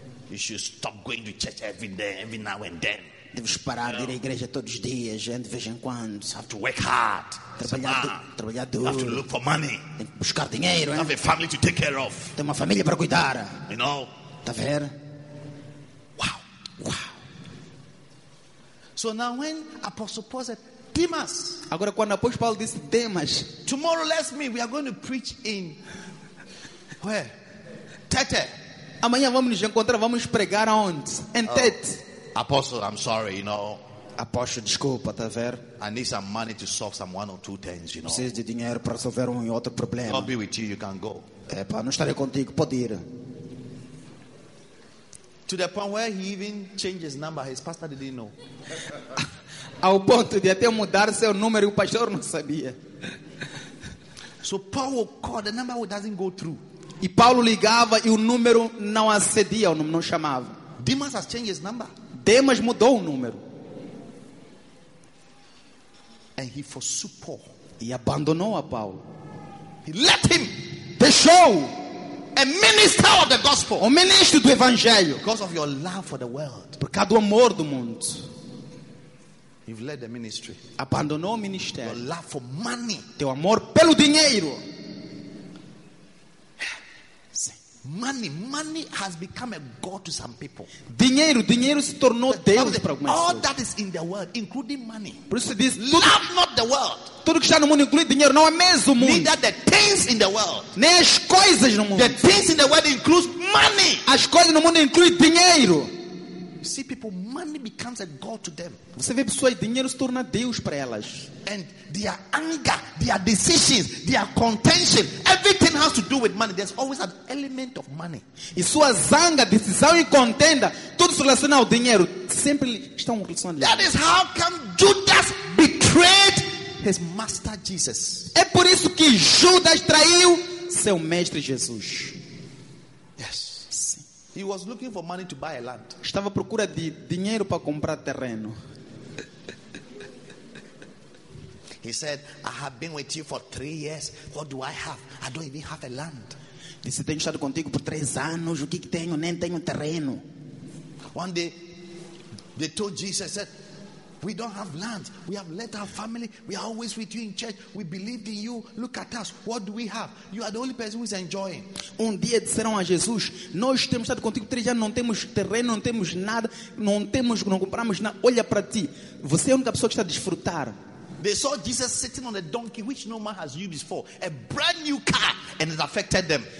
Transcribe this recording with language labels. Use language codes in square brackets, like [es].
[en] You should stop going to church every day, every now and then. [pt] Deves parar de ir à igreja todos os dias, de vez em quando. [en] Have to work hard. [pt] Trabalhar duro. [en] Have to look for money. [pt] Tem que buscar dinheiro, [en] have a family to take care of. [pt] Tem uma família para cuidar. [en] You know? [pt] Tá ver? Wow. Wow. [en] So now when Apostle Paul said, Demas. [pt] Agora quando o apóstolo Paulo disse Demas. [en] Tomorrow let's meet. We are going to preach in where? Tete. [pt] Amanhã vamos nos encontrar, vamos pregar aonde? Em Tete. [en] Apostle, I'm sorry, you know. [pt] Apóstolo, desculpa, tá ver? [en] I need some money to solve some one or two things, you know. [pt] Preciso de dinheiro para resolver um e outro problema. [en] I'll be with you, you can go. [pt] É, pá, não estarei contigo, pode ir. [en] To the point where he even changed his number, his pastor didn't know. [pt] Ao ponto de até mudar seu número, o pastor não sabia. [en] So Paul called, the number doesn't go through. [pt] E Paulo ligava e o número não acedia, o número não chamava. [en] Demas has changed his number. [pt] Demas mudou o número. [en] And he forsook Paul. [pt] E abandonou a Paulo. [en] He let him. [pt] Deixou. [en] A minister of the gospel. [pt] O ministro do evangelho. [en] Because of your love for the world. [pt] Por causa do amor do mundo. [en] You've left the ministry. [pt] Abandonou o ministério. [en] Your love for money. [pt] Teu amor pelo dinheiro. [en] Money has become a god to some people. [pt] Dinheiro se tornou deus para algumas pessoas. [en] All that is in the world, including money. [pt] Por isso diz, [en] love not the world. [pt] Tudo que está no mundo inclui dinheiro, não é mesmo o mundo. [en] Neither the things in the world. [pt] Nem as coisas no mundo. [en] The things in the world include money. [pt] As coisas no mundo inclui dinheiro. [en] See people, money becomes a god to them. [pt] Você vê pessoas, dinheiro se torna deus para elas. [en] And their anger, their decisions, their contention, everything has to do with money. There's always an element of money. [pt] E sua zanga, decisão e contenda, tudo se relaciona ao dinheiro. Sempre estão relacionados. [en] That is how come Judas betrayed his master Jesus. [pt] É por isso que Judas traiu seu mestre Jesus. [en] He was looking for money to buy a land. [pt] Estava à procura de dinheiro para comprar terreno. [en] He said, I have been with you for 3 years. What do I have? I don't even have a land. [pt] Disse, tenho estado contigo por 3 anos. O que tenho? Nem tenho terreno. [en] One day, they told Jesus, said, we don't have land. We have left our family. We are always with you in church. We believed in you. Look at us. What do we have? You are the only person who is enjoying. [pt] Um dia disseram a Jesus, nós temos estado contigo 3 anos, não temos terreno, não temos nada, não temos, não compramos nada. Olha para ti. Você é a única pessoa que está a desfrutar. [en] They saw Jesus sitting on a donkey, which no man has used before, a brand new car, and it affected them.